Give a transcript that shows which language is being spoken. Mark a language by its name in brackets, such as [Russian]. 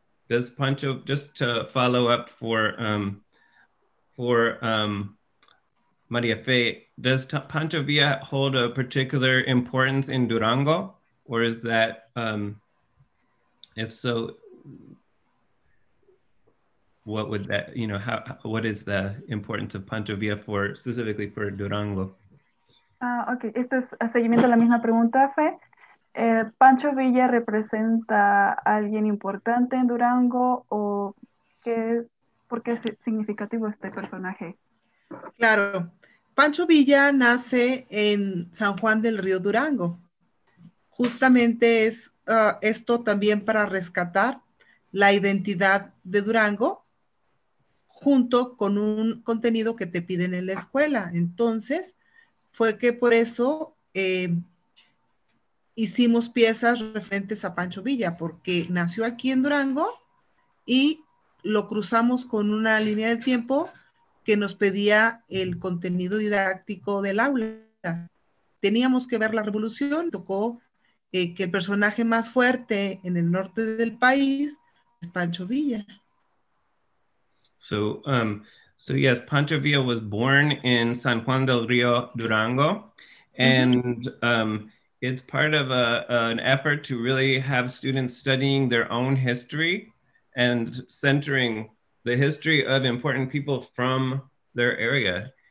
[English] Does Pancho, just to follow up for Maria Fe, does Pancho Villa hold a particular importance in Durango? Or is that, if so, what would that, you know, how, what is the importance of Pancho Villa for, specifically for Durango? [Spanish] Okay, esto es a seguimiento a la misma pregunta, Fe. ¿Pancho Villa representa a alguien importante en Durango o qué es, por qué es significativo este personaje? Claro, Pancho Villa nace en San Juan del Río Durango. Justamente es esto también para rescatar la identidad de Durango junto con un contenido que te piden en la escuela. Entonces, fue que por eso hicimos piezas referentes a Pancho Villa, porque nació aquí en Durango y lo cruzamos con una línea del tiempo que nos pedía el contenido didáctico del aula. Teníamos que ver la revolución, tocó que el personaje más fuerte en el norte del país es Pancho Villa. [English] So yes, Pancho Villa was born in San Juan del Río, Durango, and it's part of an effort to really have students studying their own history and centering the history of important people from their area.